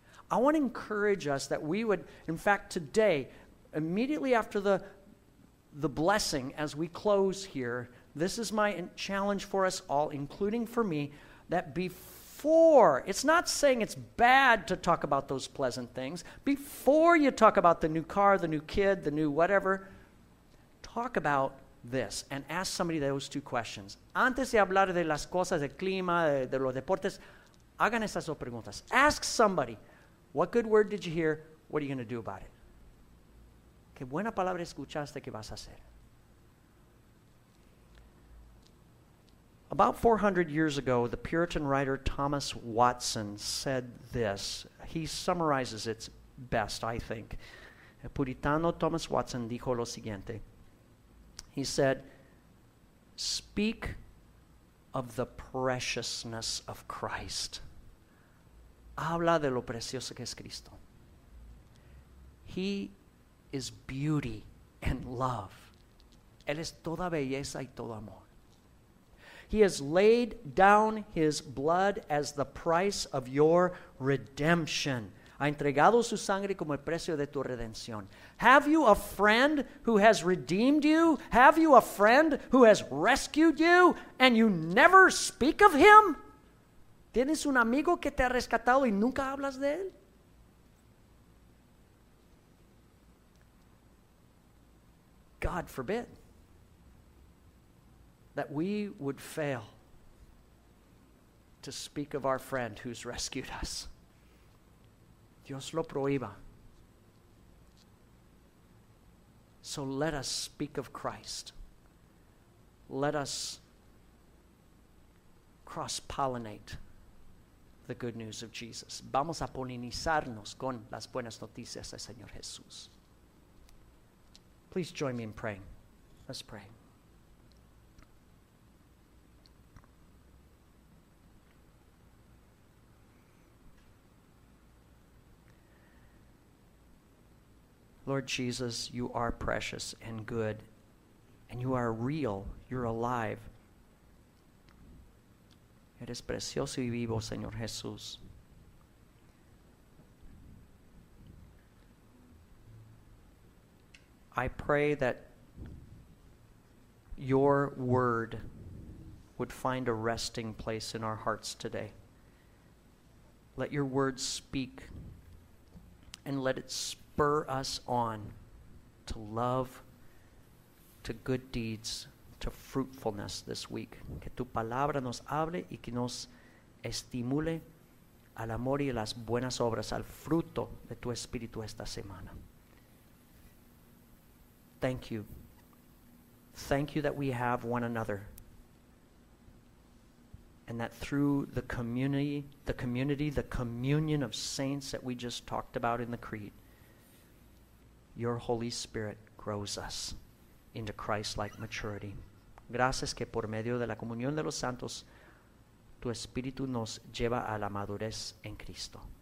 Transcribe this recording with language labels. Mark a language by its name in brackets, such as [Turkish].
[English] I want to encourage us that we would, in fact, today, immediately after the blessing as we close here, this is my challenge for us all, including for me, that before, it's not saying it's bad to talk about those pleasant things, before you talk about the new car, the new kid, the new whatever, talk about this and ask somebody those two questions. [Spanish] Antes de hablar de las cosas, del clima, de los deportes, hagan esas dos preguntas. [English] Ask somebody, what good word did you hear? What are you going to do about it? [Spanish] ¿Qué buena palabra escuchaste? ¿Qué vas a hacer? [English] About 400 years ago, the Puritan writer Thomas Watson said this. He summarizes it best, I think. [Spanish] El puritano Thomas Watson dijo lo siguiente. [English] He said, "Speak of the preciousness of Christ." [Spanish] Habla de lo precioso que es Cristo. [English] He is beauty and love. [Spanish] Él es toda belleza y todo amor. [English] He has laid down his blood as the price of your redemption. [Spanish] Ha entregado su sangre como el precio de tu redención. [English] Have you a friend who has redeemed you? Have you a friend who has rescued you and you never speak of him? [Spanish] ¿Tienes un amigo que te ha rescatado y nunca hablas de él? [English] God forbid that we would fail to speak of our friend who's rescued us. [Spanish] Dios lo prohíba. [English] So let us speak of Christ. Let us cross-pollinate the good news of Jesus. [Spanish] Vamos a polinizarnos con las buenas noticias del Señor Jesús. [English] Please join me in praying. Let's pray. Lord Jesus, you are precious and good, and you are real. You're alive. [Spanish] Eres precioso y vivo, Señor Jesús. [English] I pray that your word would find a resting place in our hearts today. Let your word speak, and let it spur us on to love, to good deeds, to fruitfulness this week. [Spanish] Que tu palabra nos hable y que nos estimule al amor y las buenas obras, al fruto de tu espíritu esta semana. [English] Thank you. Thank you that we have one another. And that through the community, the communion of saints that we just talked about in the Creed, your Holy Spirit grows us into Christ-like maturity. [Spanish] Gracias que por medio de la comunión de los santos, tu Espíritu nos lleva a la madurez en Cristo.